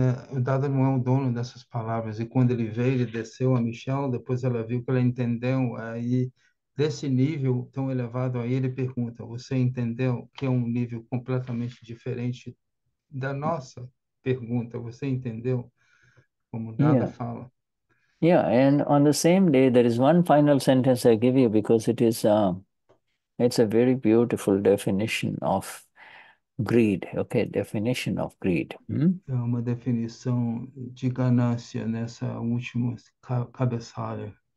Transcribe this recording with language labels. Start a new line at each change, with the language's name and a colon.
Portuguese: O Dada não é o dono dessas palavras, e quando ele veio, ele desceu a Michelle, depois ela viu que ela entendeu, aí desse nível tão elevado, aí ele pergunta: você entendeu? Que é um nível completamente diferente da nossa pergunta, você entendeu? Como o Dada fala.
English: And on the same day, there is one final sentence I give you, because it is it's a very beautiful definition of greed. Okay, definition of greed.
Portuguese: É uma definição de ganância nessa última cabeçalha.